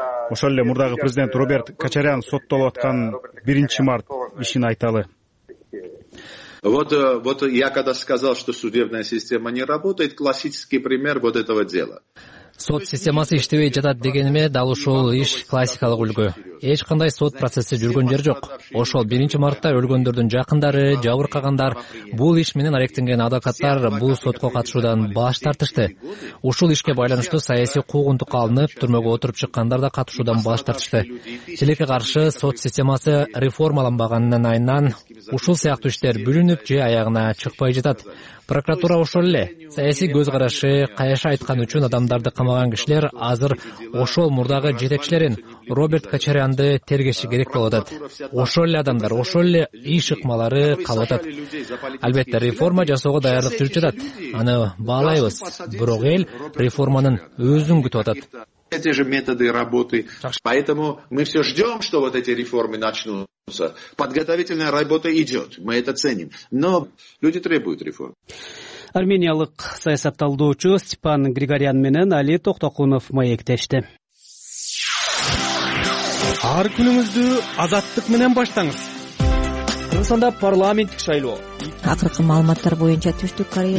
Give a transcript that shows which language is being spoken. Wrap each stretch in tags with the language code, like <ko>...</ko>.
<ky>Ошол эле мурдагы президент Роберт Качарян соттолуп аткан 1 март ишин айталы.</ky> <ru>Вот я когда сказал, что судебная система не работает, классический пример вот этого дела.</ru> <ky>Сот системасы иштебей жатат дегениме дал ушул иш классикалык үлгү. Эч кандай сот процесси жүргөн жер жок. Ошол 1 мартта өлгөндөрдүн жакындары, жабыркагандар, бул иш менен алектенген адвокаттар бул сотко катышуудан баш тартышты. Ушул ишке байланыштуу саясий куугунтукка алынып, түрмөгө отуруп чыккандар да катышуудан баш тартышты. Тилекке каршы сот системасы реформаланбаганынан айынан ушул сыяктуу иштер бүлүнүп же аягына чыкпай жатат. Прокуратура ошол эле. Саясий көз карашы, каяша айткан үчүн адамдарды камаган кишилер азыр ошол мурдагы жетекчилерин Роберт Качарянды тергеши керек болуп атат. Ошол эле адамдар, ошол эле иш ыкмалары калып атат. Албетте, реформа жасоого даярдык жүрүп жатат. Аны баалайбыз. Бирок эл реформанын өзүн күтүп атат.</ky> <ru>Эти же методы работы. Поэтому мы все ждем, что вот эти реформы начнутся. Подготовительная работа идет. Мы это ценим. Но люди требуют реформ.</ru> <ky>Армениялык саясат талдоочу Степан Григориян менен Али Токтокунов маектешти. Ар күнүңүздү азаттык менен баштаңыз. Кыргызстанда парламенттик шайлоо. Акыркы маалыматтар боюнча Түштүк Корея</ky>